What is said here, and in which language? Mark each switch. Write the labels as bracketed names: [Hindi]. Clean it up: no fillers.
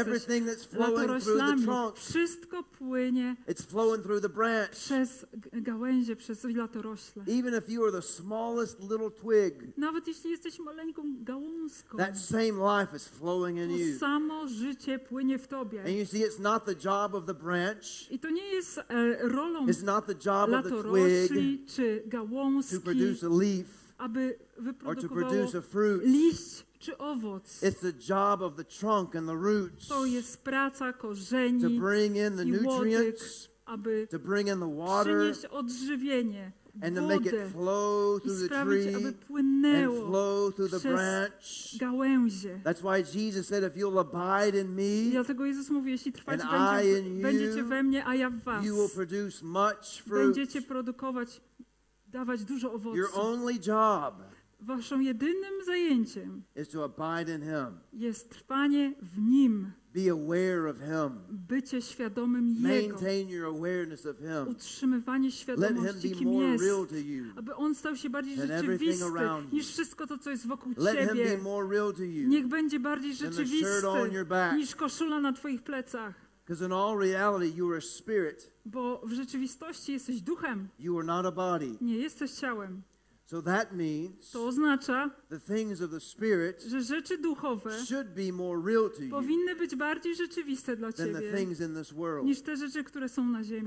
[English] everything that's flowing through the trunk. [Polish] Wszystko płynie. [English] It's flowing through the branch. [Polish] Przez gałęzie, przez latorośle. [English] Even if you are the smallest little twig. [Polish] Nawet jeśli jesteś maleńką gałązką. [English] That same life is flowing in you. [Polish] To samo życie płynie w tobie. [English] And you see, it's not the job of the branch. [Polish] I to nie jest rolą. [English] It's not the job of the twig. [Polish] Czy gałązki. [English] To produce a leaf. [Polish] Aby [English] or to produce a fruit. [Polish] Liść czy owoc. [English] It's the job of the trunk and the roots. [Polish] To jest praca korzeni [English] to bring in the [Polish] i łodyg, [English] nutrients, [Polish] aby [English] to bring in the water, [Polish] przynieść odżywienie, [English] and [Polish] wodę, [English] to make it flow through [Polish] i sprawić, [English] the tree, [Polish] aby płynęło [English] and flow through [Polish] przez [English] the branch. [Polish] Gałęzie. [English] That's why Jesus said, if you'll abide in me, [Polish] dlatego Jezus mówi, jeśli trwać [English] and [Polish] będzie, [English] I in you, [Polish] będziecie we mnie, a ja w was, [English] you will produce much fruit. [Polish] Będziecie produkować dawać dużo owoców. [English] Your only job [Polish] waszą jedynym zajęciem [English] is to abide in him. [Polish] Jest trwanie w Nim. [English] Be aware of him. [Polish] Bycie świadomym Jego. [English] Maintain your awareness of him. [Polish] Utrzymywanie świadomości, [English] let him be [Polish] kim [English] more [Polish] jest. [English] Real to you [Polish] aby On stał się bardziej rzeczywisty niż wszystko to, co jest wokół [English] let [Polish] Ciebie. [English] Him be more real to you [Polish] niech będzie bardziej rzeczywisty niż koszula na Twoich plecach. [English] Because in all reality you are a spirit. [Polish] Bo w rzeczywistości jesteś duchem. [English] You are not a body. [Polish] Nie jesteś ciałem. [English] So that means [Polish] to oznacza, [English] the things of the spirit [Polish] że rzeczy duchowe [English] should be more real to you [Polish] powinny być bardziej rzeczywiste dla [English] than [Polish] ciebie [English] the things in this world. [Polish] Niż te rzeczy, które są na ziemi.